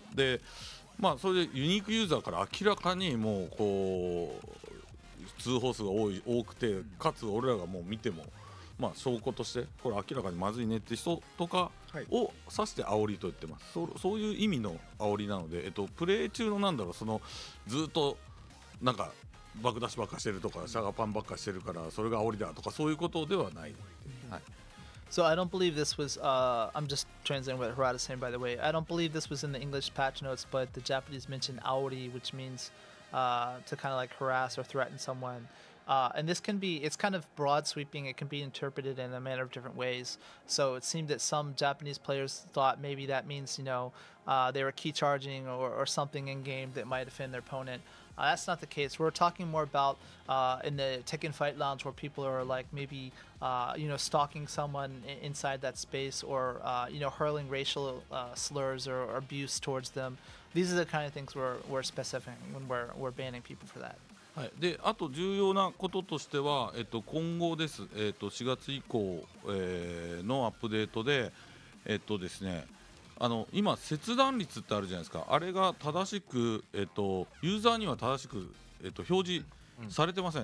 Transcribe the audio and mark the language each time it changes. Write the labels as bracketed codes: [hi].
[ja] で、まあ、それでユニークユーザーから明らかにもうこう通報数が多くてかつ俺らがもう見ても、まあ、証拠としてこれ明らかにまずいねって人とかを指して煽りと言ってます、はい、そういう意味の煽りなので、プレイ中のなんだろうそのずっとなんかバグ出しばっかしてるとかシャガパンばっかしてるからそれが煽りだとかそういうことではない、うん、はい。 [en] So I don't believe this was, I'm just translating what Harada is saying, by the way. I don't believe this was in the English patch notes, but the Japanese mentioned aori, which means to kind of like harass or threaten someone. And this can be, it's kind of broad sweeping. It can be interpreted in a manner of different ways. So it seemed that some Japanese players thought maybe that means, you know, they were key charging or something in game that might offend their opponent. That's not the case. We're talking more about in the Tekken Fight Lounge where people are like maybe... you know, stalking someone inside that space or, you know, hurling racial slurs or abuse towards them. These are the kind of things we're specifying when we're banning people for that. [ja] はい。で、あと重要なこととしては、今後です。 4月以降、のアップデートで、ですね、今、切断率ってあるじゃないですか。あれが正しく、ユーザーには正しく、表示されてません。